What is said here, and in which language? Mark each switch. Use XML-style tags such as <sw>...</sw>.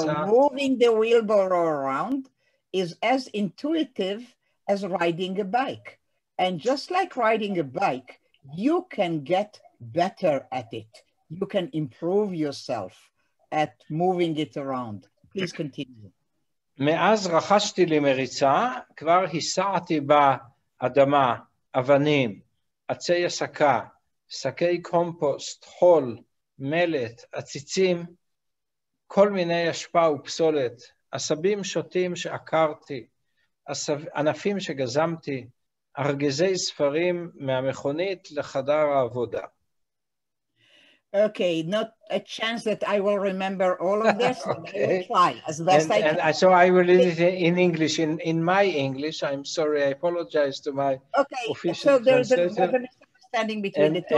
<en>Okay, so moving the wheelbarrow around is as intuitive as riding a bike. And just like riding a bike, you can get better at it. You can improve yourself at moving it around. Please continue.</en> <he>מאז רכשתי לי מריצה, כבר הסעתי באדמה, אבנים, עצי עסקה, שקי קומפוסט, חול, מלט, עציצים, כל מיני אשפה ופסולת, עשבים שוטים שעקרתי, ענפים שגזמתי, ארגזי ספרים מהמכונית לחדר העבודה.</he> <en>Okay, not a chance that I will remember all of this. Okay. I will try as best I can. So I will read it in English, in my English. I'm sorry, I apologize to my official translator. Okay, so there's a misunderstanding between the two.</en>